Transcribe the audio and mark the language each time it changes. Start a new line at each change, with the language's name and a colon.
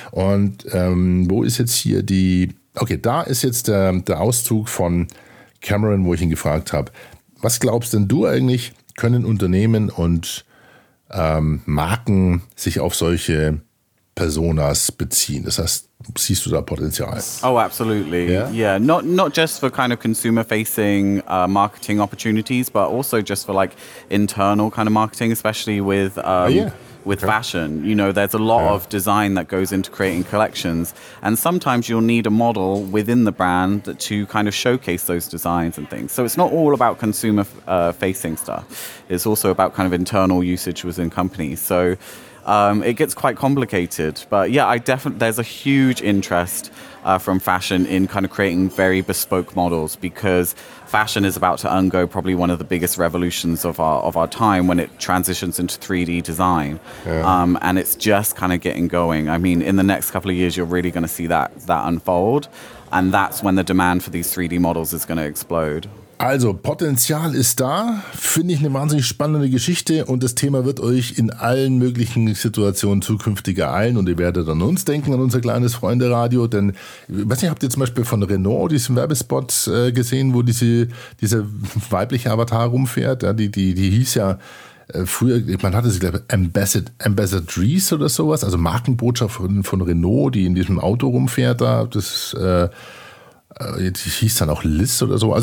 German: Und wo ist jetzt hier die... Okay, da ist jetzt der Auszug von Cameron, wo ich ihn gefragt habe, was glaubst denn du eigentlich, können Unternehmen und Marken sich auf solche Personas beziehen? Das heißt, siehst du da Potenzial?
English: Oh, absolutely. Yeah. Not just for kind of consumer-facing marketing opportunities, but also just for like internal kind of marketing, especially with with fashion. You know, there's a lot of design that goes into creating collections. And sometimes you'll need a model within the brand to kind of showcase those designs and things. So it's not all about consumer facing stuff. It's also about kind of internal usage within companies. So it gets quite complicated. But yeah, there's a huge interest from fashion in kind of creating very bespoke models, because fashion is about to undergo probably one of the biggest revolutions of our time when it transitions into 3D design. Yeah. And it's just kind of getting going. I mean, in the next couple of years, you're really going to see that unfold. And that's when the demand for these 3D models is going to explode.
German: Also, Potenzial ist da, finde ich eine wahnsinnig spannende Geschichte und das Thema wird euch in allen möglichen Situationen zukünftig ereilen und ihr werdet an uns denken, an unser kleines Freunde-Radio, denn, ich weiß nicht, habt ihr zum Beispiel von Renault diesen Werbespot gesehen, wo diese weibliche Avatar rumfährt, ja, die hieß ja früher, man hatte sie, glaube ich, Ambassadrice oder sowas, also Markenbotschaft von Renault, die in diesem Auto rumfährt, da, das die hieß dann auch Liz oder so.